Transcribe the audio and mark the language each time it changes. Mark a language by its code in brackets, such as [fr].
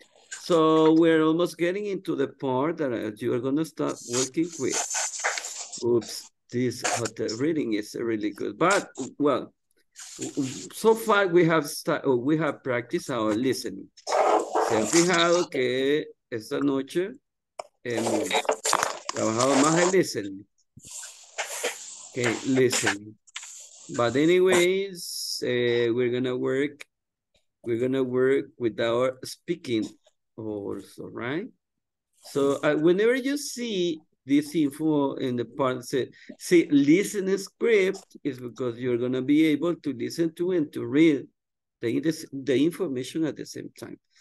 [en] So we're almost getting into the part that you are going to start working with. Oops, this hotel reading is really good. But, well, so far we have practiced our listening. [es] Se han fijado que esta noche hemos trabajado más el listening. [en] Okay, listening. But anyways, we're gonna work with our speaking also, right? So whenever you see this info in the part, say listening script, is because you're gonna be able to listen to and to read the information at the same time.